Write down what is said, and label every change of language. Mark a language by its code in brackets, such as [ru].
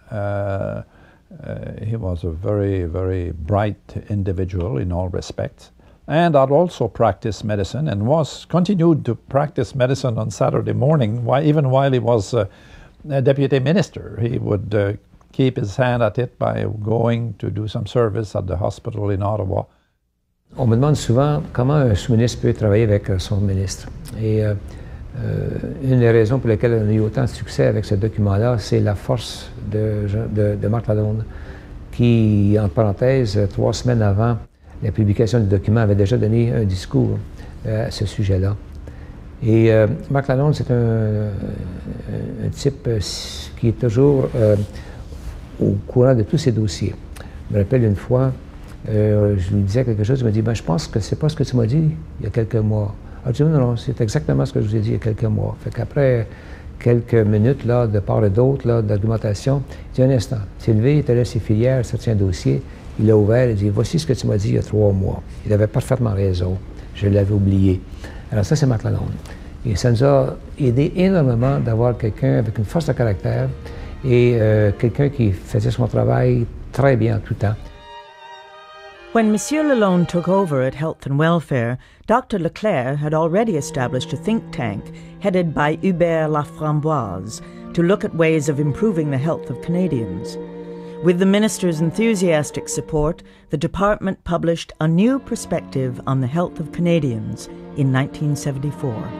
[en] He was a very, very bright individual in all respects, and had also practiced medicine and continued to practice medicine on Saturday morning, even while he was a deputy minister. He would keep his hand at it by going to do some service at the hospital in Ottawa. [fr] On me demande souvent comment un sous-ministre peut travailler avec son ministre. Une des raisons pour lesquelles on a eu autant de succès avec ce document-là, c'est la force de Marc Lalonde, qui, en parenthèse, trois semaines avant la publication du document, avait déjà donné un discours à ce sujet-là. Et Marc Lalonde, c'est un type qui est toujours au courant de tous ses dossiers. Je me rappelle une fois, je lui disais quelque chose, il m'a dit, je pense que c'est pas ce que tu m'as dit il y a quelques mois. Alors, je dis, non, c'est exactement ce que je vous ai dit il y a quelques mois. Fait qu'après quelques minutes là, de part et d'autre, d'argumentation, il dit, un instant, Sylvie, il était là, ses filières, sur un dossier, il l'a ouvert, il dit, voici ce que tu m'as dit il y a trois mois. Il avait parfaitement raison, je l'avais oublié. Alors ça, c'est Marc Lalonde. Et ça nous a aidé énormément d'avoir quelqu'un avec une force de caractère et quelqu'un qui faisait son travail très bien tout le temps. [en] When Monsieur Lalonde took over at Health and Welfare, Dr. LeClair had already established a think tank headed by Hubert Laframboise to look at ways of improving the health of Canadians. With the minister's enthusiastic support, the department published A New Perspective on the Health of Canadians in 1974.